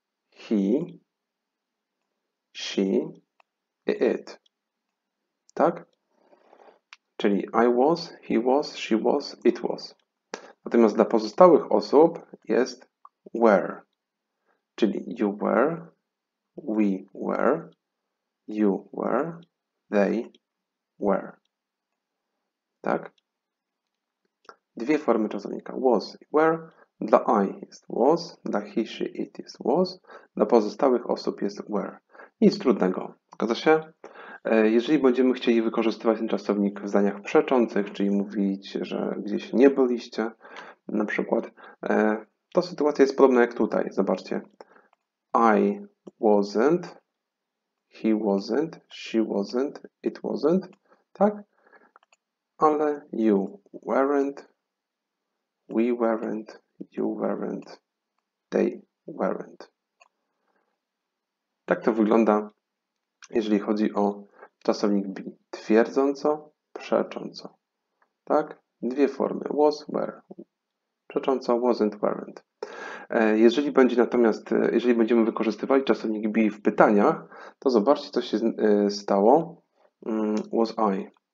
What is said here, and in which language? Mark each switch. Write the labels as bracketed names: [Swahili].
[English] He, she, it. [Polish] Tak? [English] Czyli I was, he was, she was, it was. [Polish] Natomiast dla pozostałych osób jest were. [English] Czyli you were, we were, you were, they were. [Polish] Tak? Dwie formy czasownika. Was i were. Dla I jest was, dla he, she, it jest was, dla pozostałych osób jest were. Nic trudnego. Zgadza się? Jeżeli będziemy chcieli wykorzystywać ten czasownik w zdaniach przeczących, czyli mówić, że gdzieś nie byliście, na przykład, to sytuacja jest podobna jak tutaj. Zobaczcie. [English] I wasn't, he wasn't, she wasn't, it wasn't, [Polish] tak? [English] Ale you weren't, we weren't, you weren't, they weren't. [Polish] Tak to wygląda, jeżeli chodzi o czasownik be. Twierdząco, przecząco. Tak? Dwie formy. Was, were. Przecząco, wasn't, weren't. Jeżeli będzie natomiast, jeżeli będziemy wykorzystywali czasownik be w pytaniach, to zobaczcie, co się stało. Was I.